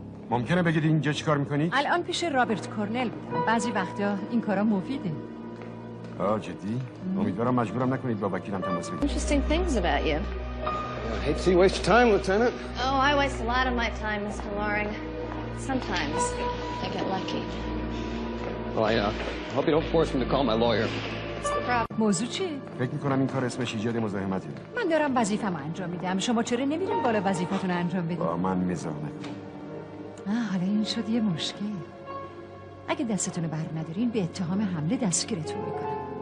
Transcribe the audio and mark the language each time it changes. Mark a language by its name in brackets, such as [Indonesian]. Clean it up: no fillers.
[Persian] ممکنه بگید اینجا چی کار میکنید؟ الان پیش رابرت کورنل بودم. بعضی وقتا این کارا مفیده. آه جدی؟ امیدوارم مجبورم نکنید با وکیلم تماس بگیرم. [English] Interesting things about you. I hate to see you waste your time, Lieutenant. Oh, I waste a lot of my time, Mr. Loring. Sometimes I get lucky. Well, I hope you don't force me to call my lawyer. What's the problem? [Persian] موضوع چی؟ فکر میکنم این کار اسمش ایجاد مزاحمتی. من دارم وظیفه‌ام انجام میدم. شما چرا نمیرین بالا وظیفتون انجام بدید؟ با من میزنم. حالا این شد یه مشکل. اگه دستتون بر ندارین به اتهام حمله دستگیرتون میکنم.